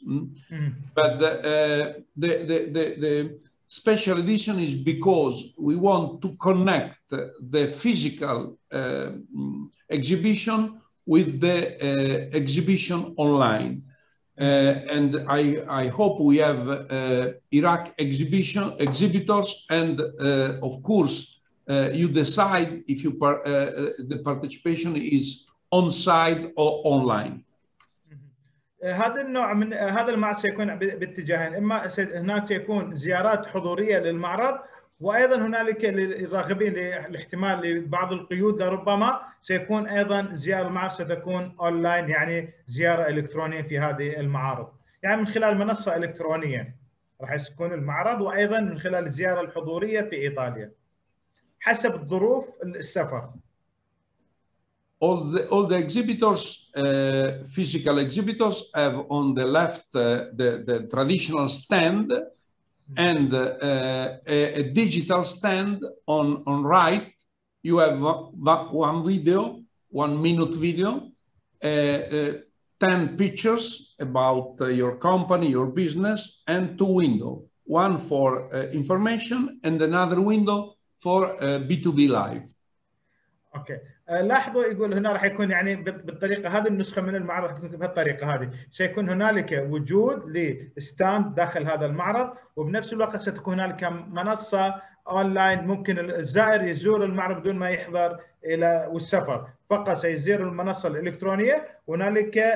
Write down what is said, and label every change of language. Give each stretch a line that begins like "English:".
English: But the special edition is because we want to connect the physical exhibition with the exhibition online. And I hope we have Iraq exhibitors, and of course you decide if you the participation is on site or online.
Arabic: هذا النوع من هذا المعرض سيكون باتجاهين، اما هناك سيكون زيارات حضوريه للمعرض، وايضا هنالك للراغبين لاحتمال لبعض القيود لربما سيكون ايضا زياره المعرض ستكون اونلاين، يعني زياره الكترونيه في هذه المعارض، يعني من خلال منصه الكترونيه راح يكون المعرض، وايضا من خلال الزياره الحضوريه في ايطاليا حسب ظروف السفر.
English: All the exhibitors, physical exhibitors, have on the left the traditional stand, and a digital stand on right. You have one video, 1 minute video, 10 pictures about your company, your business, and 2 windows, one for information and another window for B2B live. Okay.
Arabic: لاحظوا يقول هنا راح يكون يعني بالطريقة هذه النسخة من المعرض تكون بهالطريقة هذه، سيكون هنالك وجود لستاند داخل هذا المعرض، وبنفس الوقت ستكون هنالك منصة أونلاين ممكن الزائر يزور المعرض بدون ما يحضر إلى والسفر، فقط سيزور المنصة الإلكترونية، وهنالك